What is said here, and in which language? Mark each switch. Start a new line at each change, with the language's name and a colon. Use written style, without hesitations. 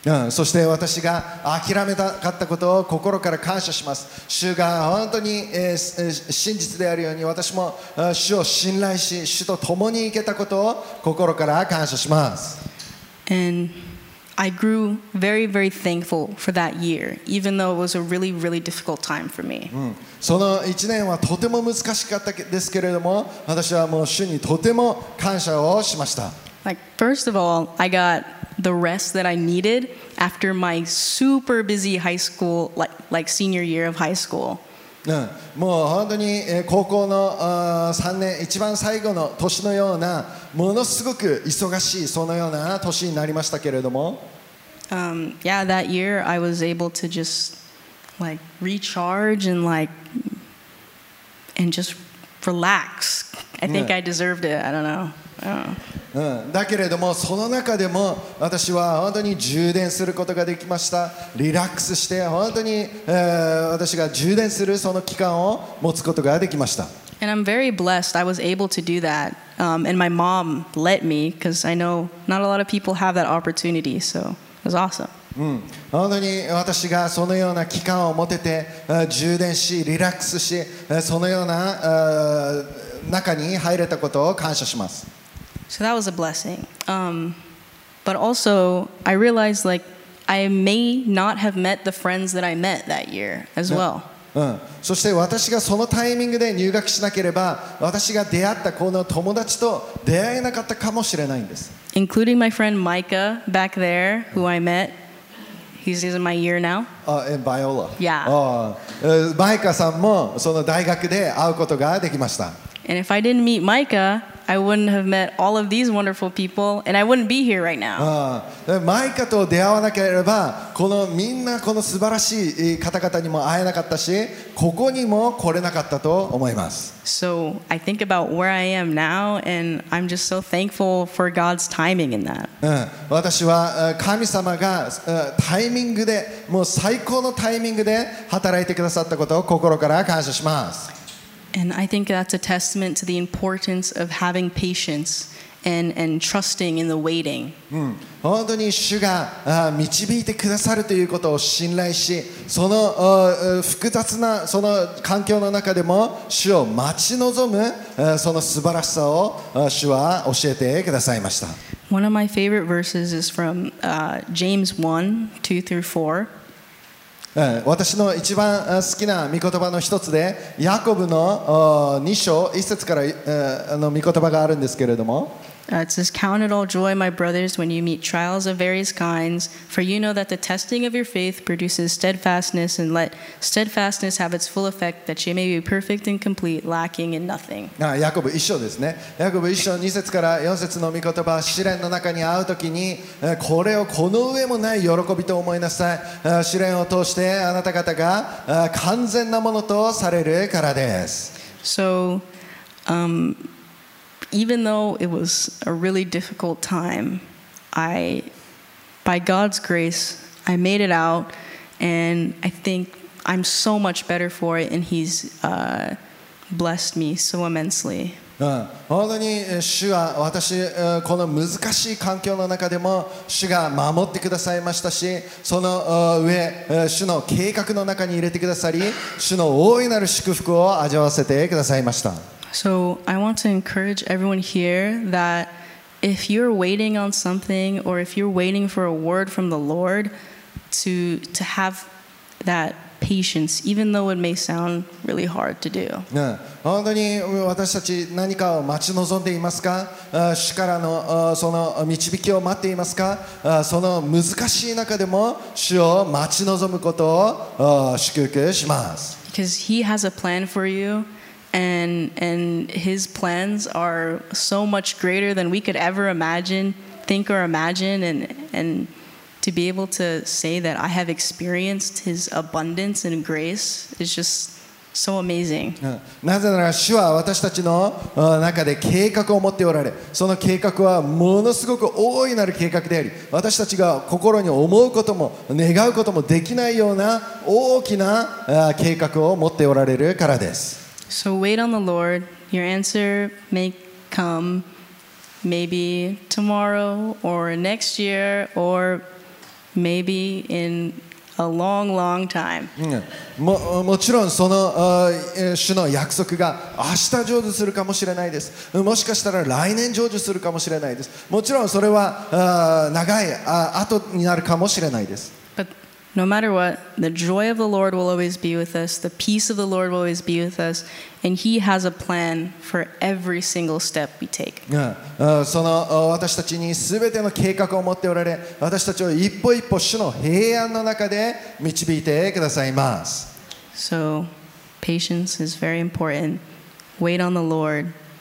Japanese: そして私が諦めたかったことを心から感謝します。主が本当に真実であるように私も主を信頼し主と共に行けたことを心から感謝します。
English: And I grew very, very thankful for that year, even though it was a really, really difficult time for me.
Japanese: その1年はとても難しかったですけれども、私はもう主にとても感謝をしました。
English: Like, first of all, I gotthe rest that I needed after my super busy high school, like senior year of high school.
Japanese: もう本当に高校の3年、一番最後の年のようなものすごく忙しいそのような年になりましたけれども。
English: Yeah, that year I was able to just like recharge and just relax. I think I deserved it. I don't know.
Japanese: だけれどもその中でも私は本当に充電することができました。リラックスして本当に、私が充電するその期間を持つことができました。
English: And I'm very blessed I was able to do that、and my mom let me because I know not a lot of people have that opportunity, so it was awesome.
Japanese: 本当に私がそのような期間を持てて充電しリラックスしそのような中に入れたことを感謝します。
English: So that was a blessing. But also, I realized like I may not have met the friends that I met that year as well.
Japanese: そして私がそのタイミングで入学しなければ私が出会ったこの友達と出会えなかったかもしれないんです。
English: Including my friend Micah back there, who I met. He's in my year now. In Biola. Yeah.
Japanese: Micah さんもその大学で会うことができました。
English: And if I didn't meet Micah, I wouldn't have met all of these wonderful people, and I wouldn't be here right now.
Japanese: Micah と出会わなければ、このみんなこの素晴らしい方々にも会えなかったし、ここにも来れなかったと思います。
English: So I think about where I am now, and I'm just so thankful for God's timing in that.
Japanese: 私は神様がタイミングで、もう最高のタイミングで働いてくださったことを心から感謝します。
English: And I think that's a testament to the importance of having patience and trusting in the waiting.
Japanese: 本当に主が導いてくださるということを信頼し、その複雑なその環境の中でも主を待ち望むその素晴らしさを主は教えてくださいました。
English: One of my favorite verses is from James 1, 2 through 4.
Japanese: 私の一番好きな御言葉の一つでヤコブの2章1節からの御言葉があるんですけれども、
English: It says, Count it all joy, my brothers, when you meet trials of various kinds, for you know that the testing of your faith produces steadfastness, and let steadfastness have its full effect, that you may be perfect and complete, lacking in nothing.
Japanese: ヤコブ1章ですね。ヤコブ1章2節から4節の御言葉、試練の中に会うときに、これをこの上もない喜びと思いなさい。試練を通してあなた方が完全なものとされるからです。
English: So, Even though it was a really difficult time, I, by God's grace, I made it out, and I think I'm so much better for it, and He's blessed me so immensely.
Japanese: 本当に主は私この難しい環境の中でも主が守ってくださいましたし、その上主の計画の中に入れてくださり、主の大いなる祝福を味わわせてくださいました。
English: So I want to encourage everyone here that if you're waiting on something or if you're waiting for a word from the Lord to have that patience, even though it may sound really hard to do.
Japanese: 本当に私たち何かを待ち望んでいますか？主からのその導きを待っていますか？その難しい中でも主を待ち望むことを祝福します。
English: Because He has a plan for you. And his plans are so much greater than we could ever imagine, think or imagine, and to be able to say that I have experienced his abundance and grace is just so amazing.
Japanese: なぜなら主は私たちの中で計画を持っておられ、その計画はものすごく大いなる計画であり、私たちが心に思うことも願うこともできないような大きな計画を持っておられるからです。
English: So wait on the Lord. Your answer may come maybe tomorrow or next year or maybe in a long, long time.
Japanese: もちろんその主の約束が明日成就するかもしれないです。もしかしたら来年成就するかもしれないです。もちろんそれは長い後になるかもしれないです。
English: No matter what, the joy of the Lord will always be with us. The peace of the Lord will always be with us. And He has a plan for every single step we take.
Japanese: その私たちに全ての計画を持っておられ、私たちを一歩一歩主の平安の中で導いてくださいます。
English: So, patience is very important. Wait on the Lord.